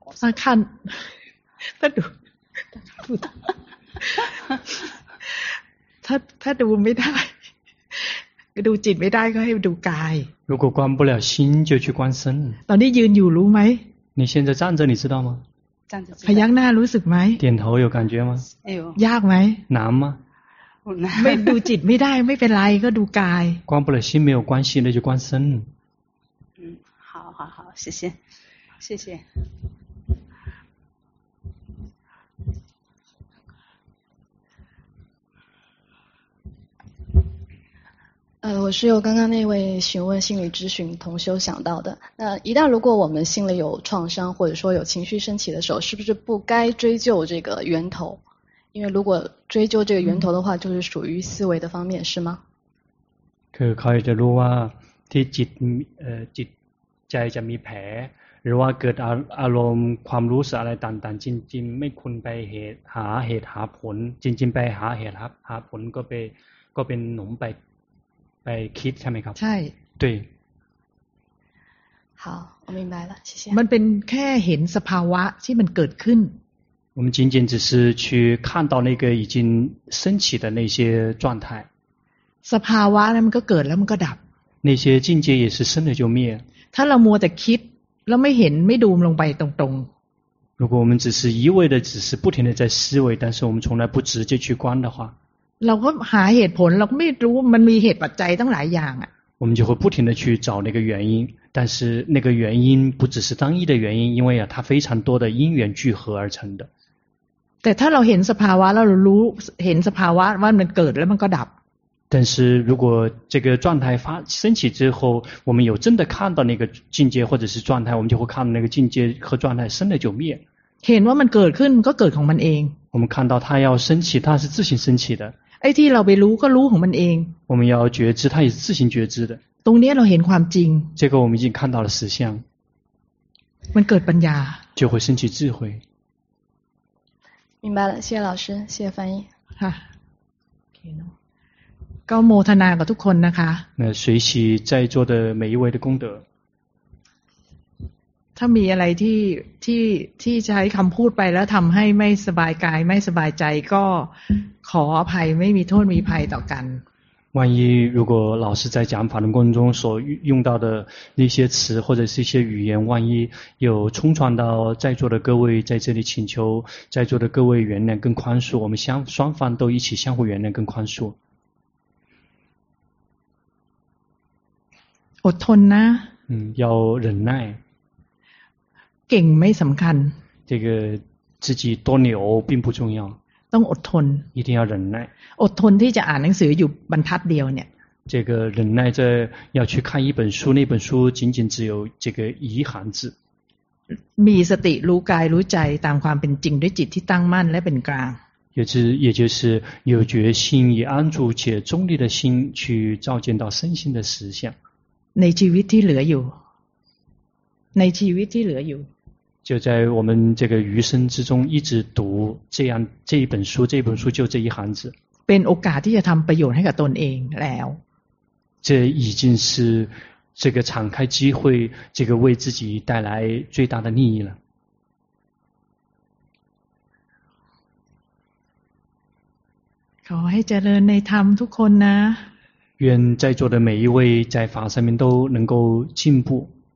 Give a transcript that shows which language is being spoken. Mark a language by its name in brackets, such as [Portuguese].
[Chinese] 他看他读他读不到 [Thai] ดูจิตไม่ได้ก็ให้ดูกาย [Chinese] 如果观不了心就去观身 [Thai] ตอนนี้ยืนอยู่รู้ไหม [Chinese] 你现在站着你知道吗站着 [Thai] พยักหน้ารู้สึกไหม [Chinese] 点头有感觉吗 [Thai] ยากไหม [Chinese] 难吗 [Thai] ไม่ดูจิตไม่ได้ไม่เป็นไรก็ดูกาย [Chinese] 观不了心没有关系那就观身好谢谢我是由刚刚那位询问心理咨询同修想到的。那一旦如果我们心里有创伤或者说有情绪升起的时候，是不是不该追究这个源头？因为如果追究这个源头的话，就是属于思维的方面，是吗？ [Thai] คือเขาจะรู้ว่าที่จิตจิตใจจะมีแผล หรือว่าเกิดอารมณ์ความรู้สึกอะไรต่างๆจริงๆไม่คุณไปเหตุหาเหตุหาผลจริงๆไปหาเหตุครับหาผลก็ไปก็เป็นหนุ่มไปคิดใช่ไหมครับ ใช่ [Chinese] 对好我明白了谢谢 [Thai] มันเป็นแค่เห็นสภาวะที่มันเกิดขึ้น [Chinese] 我们仅仅只是去看到那个已经升起的那些状态 [Thai] สภาวะมันก็เกิดแล้วมันก็ดับ [Chinese] 那些境界也是生了就灭 [Thai] ถ้าเรามัวแต่คิดแล้วไม่เห็นไม่ดูมลงไปตรง [Chinese] ๆ如果我们只是一味的只是不停的在思维但是我们从来不直接去观的话 [Thai] เราก็หาเหตุผลเราก็ไม่รู้มันมีเหตุปัจจัยตั้งหลายอย่างอ่ะ [Chinese] 我们就会不停的去找那个原因但是那个原因不只是单一的原因因为啊它非常多的因缘聚合而成的 [Thai] แต่ถ้าเราเห็นสภาวะเรารู้เห็นสภาวะว่ามันเกิดแล้วมันก็ดับ [Chinese] 但是如果这个状态发升起之后我们有真的看到那个境界或者是状态我们就会看到那个境界和状态生了就灭 [Thai] เห็นว่ามันเกิดขึ้นก็เกิดของมันเอง [Chinese] 我们看到它要升起它是自行升起的 [Thai] ไอ้ที่เราไปรู้ก็รู้ของมันเอง [Chinese] 我们要觉知它也是自行觉知的 [Thai] ตรงนี้เราเห็นความจริง [Chinese] 这个我们已经看到了实相 [Thai] มันเกิดปัญญา [Chinese] 就会升起智慧明白了谢谢老师谢谢翻译 [Thai] ค่ะก็โมทนากับทุกคนนะคะ [Chinese] 那随喜在座的每一位的功德 [Thai] ถ้ามีอะไรที่ใช้คำพูดไปแล้วทำให้ไม่สบายกายไม่สบายใจก็ขออภัยไม่มีโทษมีภัยต่อกัน [Chinese] 万一如果老师在讲法轮功中所用到的那些词或者是一些语言万一有冲撞到在座的各位在这里请求在座的各位原谅跟宽恕我们双方都一起相互原谅跟宽恕 [Thai] อดทนนะ [Chinese] 要忍耐 [Thai] เก่งไม่สำคัญ [Chinese] 这个自己多牛并不重要 [Thai] ต้องอดทน [Chinese] 一定要忍耐 [Thai] อดทนที่จะอ่านหนังสืออยู่บรรทัดเดียวเนี่ย [Chinese] 这个忍耐在要去看一本书那本书仅仅只有这个一行字 [Thai] มีสติรู้กายรู้ใจตามความเป็นจริงด้วยจิตที่ตั้งมั่นและเป็นกลาง [Chinese] เยจือ有决心以安住且中立的心去照见到身心的实相 [Thai] ในชีวิตที่เหลืออยู่ในชีวิตที่เหลืออยู่ [Chinese] 就在我们这个余生之中一直读这样这一本书这本书就这一行字 [Thai] เป็นโอกาสที่จะทำประโยชน์ให้กับตนเองแล้ว [Chinese] 这已经是这个敞开机会这个为自己带来最大的利益了 [Thai] ขอให้เจริญในธรรมทุกคนนะ [Chinese] 愿在座的每一位在法上面都能够进步。